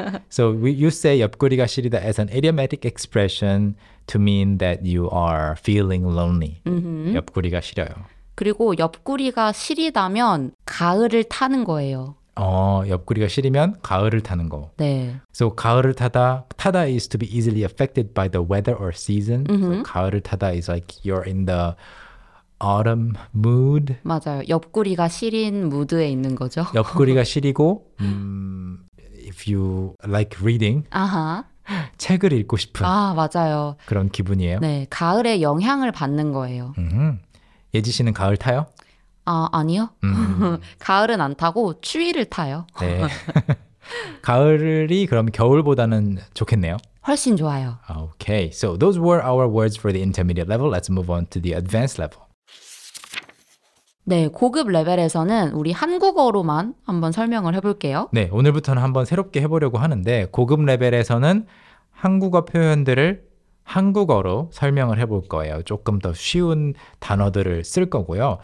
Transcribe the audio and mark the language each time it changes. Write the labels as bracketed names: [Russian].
[English] So you say 옆구리가 시리다 as an idiomatic expression to mean that you are feeling lonely. [Korean] 옆구리가 시려요. 그리고 옆구리가 시리다면 가을을 타는 거예요. 옆구리가 시리면 가을을 타는 거. 네. [English] So 가을을 타다 is to be easily affected by the weather or season. Mm-hmm. So 가을을 타다 is like you're in the autumn mood. [Korean] 맞아요. 옆구리가 시린 무드에 있는 거죠. 옆구리가 시리고 [English] if you like reading. [Korean] 아하. 책을 읽고 싶은. 아, 맞아요. 그런 기분이에요. 네. 가을의 영향을 받는 거예요. 예지 씨는 가을 타요? 아, 아니요. 가을은 안 타고 추위를 타요. 네. 가을이 그럼 겨울보다는 좋겠네요. 훨씬 좋아요. [English] Okay. So those were our words for the intermediate level. Let's move on to the advanced level. [Korean] 네, 고급 레벨에서는 우리 한국어로만 한번 설명을 해볼게요. 네, 오늘부터는 한번 새롭게 해보려고 하는데 고급 레벨에서는 한국어 표현들을 한국어로 설명을 해볼 거예요. 조금 더 쉬운 단어들을 쓸 거고요.